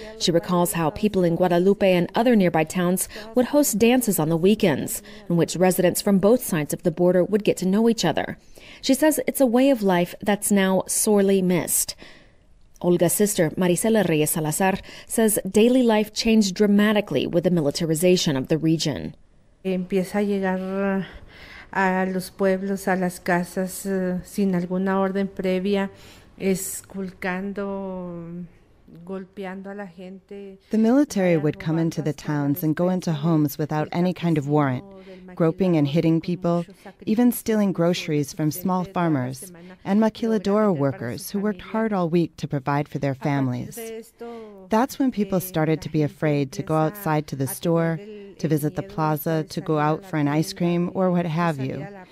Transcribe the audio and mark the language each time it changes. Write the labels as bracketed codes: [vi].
[en] She recalls how people in Guadalupe and other nearby towns would host dances on the weekends, in which residents from both sides of the border would get to know each other. She says it's a way of life that's now sorely missed. Olga's sister, Maricela Reyes Salazar, says daily life changed dramatically with the militarization of the region. [es] Empieza a llegar a los pueblos, a las casas, sin alguna orden previa, esculcando, golpeando a la gente. [en] The military would come into the towns and go into homes without any kind of warrant, groping and hitting people, even stealing groceries from small farmers and maquiladora workers who worked hard all week to provide for their families. That's when people started to be afraid to go outside to the store, to visit the plaza, to go out for an ice cream, or what have you.